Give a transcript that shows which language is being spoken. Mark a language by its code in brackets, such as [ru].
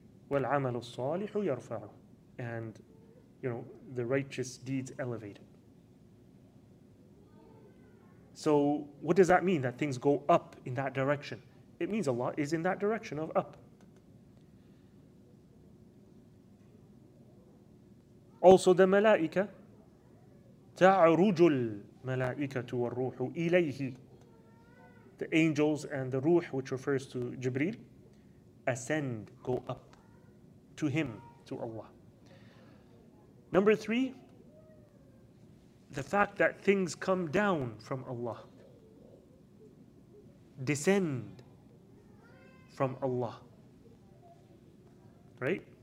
[ar] وَالْعَمَلُ الصَّالِحُ يَرْفَعُ. [en] And, you know, the righteous deeds elevated. So what does that mean, that things go up in that direction? It means Allah is in that direction of up. Also the malaika, [ar] تَعْرُجُ الْمَلَائِكَةُ وَالْرُوحُ إِلَيْهِ. [en] The angels and the ruh, which refers to Jibreel, ascend, go up to him, to Allah. Number 3, the fact that things come down from Allah, descend from Allah. Right?